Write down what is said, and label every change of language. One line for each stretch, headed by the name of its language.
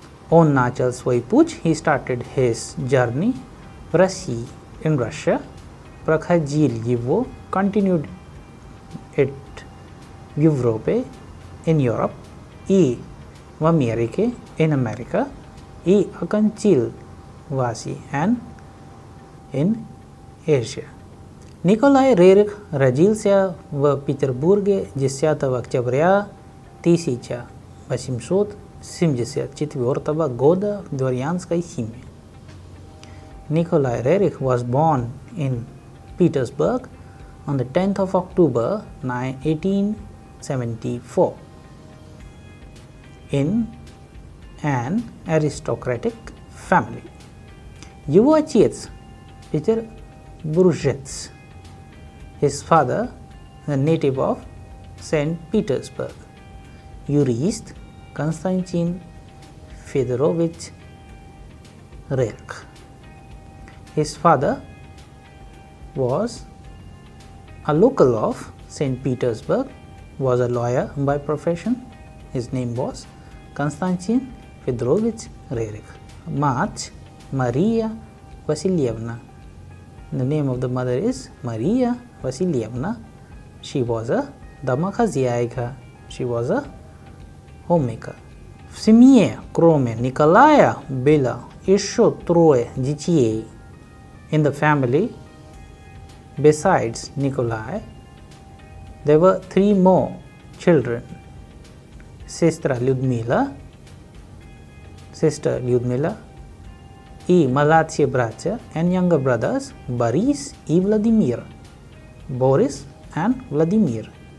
Russian: Он начал свой путь,
English: he started his journey
Russian: в России,
English: in Russia,
Russian: проходил его,
English: continued it
Russian: в Европе,
English: in Europe,
Russian: и в Америке,
English: in America,
Russian: и окончил в Азии,
English: and in Asia.
Russian: Николай Роерих родился в Петербурге 10 октября 1874 года в дворянской семье.
English: Николай Роерих was born in Petersburg on the 10th of October 1874 in an aristocratic family.
Russian: Его отец,
English: Peter Bourgeois, his father, a native of St.
Russian: Petersburg, юрист Константин Федорович Рерк.
English: His father was a local of St. Petersburg, was a lawyer by profession. His name was Константин Федорович Рерик. Мать Мария Васильевна. The name of the mother is Мария Васильевна. She was a домохозяйка. She was a homemaker.
Russian: В семье, кроме Николая, было еще трое детей.
English: In the family, besides Nikolai, there were three more children.
Russian: Сестра Людмила,
English: sister
Russian: Людмила, и младшие братья,
English: and younger brothers,
Russian: Борис и Владимир, Boris and Vladimir.